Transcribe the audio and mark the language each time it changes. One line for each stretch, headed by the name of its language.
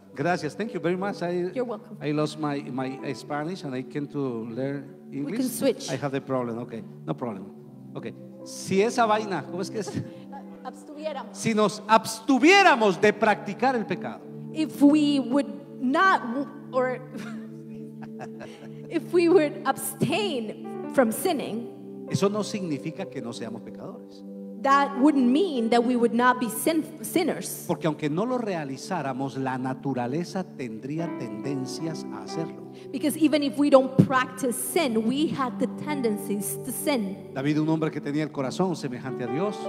English: Gracias, thank you very much. You're welcome. I lost my Spanish and I came to learn English. We can switch. I have the problem, okay. No problem. Okay.
Spanish: Si esa vaina, ¿cómo es que es? Abstuviéramos. Si nos abstuviéramos de practicar el pecado.
English: If we would not, or if we would abstain from sinning.
Spanish: Eso no significa que no seamos pecadores.
English: That wouldn't mean that we would not be sinners.
Spanish: Porque aunque no lo realizáramos, la naturaleza tendría tendencias a hacerlo.
English: Because even if we don't practice sin, we have the tendencies to sin.
Spanish: David, un hombre que tenía el corazón semejante a Dios.